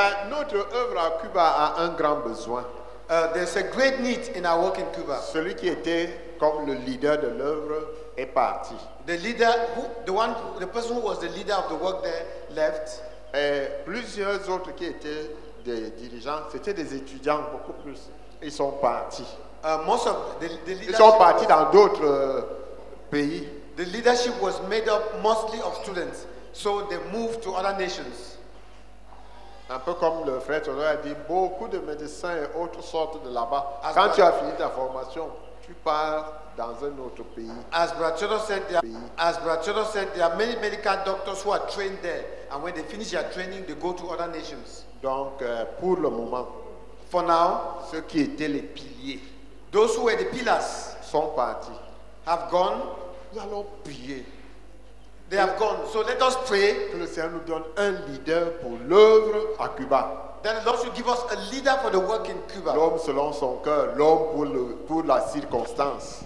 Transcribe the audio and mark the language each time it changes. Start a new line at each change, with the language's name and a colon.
French: Notre œuvre à Cuba a un grand besoin.
English: There's a great need in our work in Cuba.
French: Celui qui était comme le leader de l'œuvre est parti.
English: The leader, the person who was the leader of the work there, left.
French: Plusieurs autres qui étaient des dirigeants, c'était des étudiants beaucoup plus. Ils sont partis.
English: Most of the leaders.
French: Ils sont partis dans d'autres pays.
English: The leadership was made up mostly of students. So they moved to other nations.
French: Un peu comme le frère Tonon a dit, beaucoup de médecins et autres sortent de là-bas. Quand tu as fini ta formation, tu pars dans un autre pays.
English: As Brother Tonon said, there are many medical doctors who are trained there. And when they finish their training, they go to other nations.
French: Donc, pour le moment,
English: for now,
French: ceux qui étaient les piliers,
English: those who were the pillars,
French: sont partis.
English: Have gone.
French: Nous allons prier.
English: They have gone. So let us pray.
French: Que le Seigneur nous donne un leader pour l'œuvre à Cuba.
English: That the Lord should give us a leader for the work in Cuba.
French: L'homme selon son cœur, l'homme pour le pour la circonstance.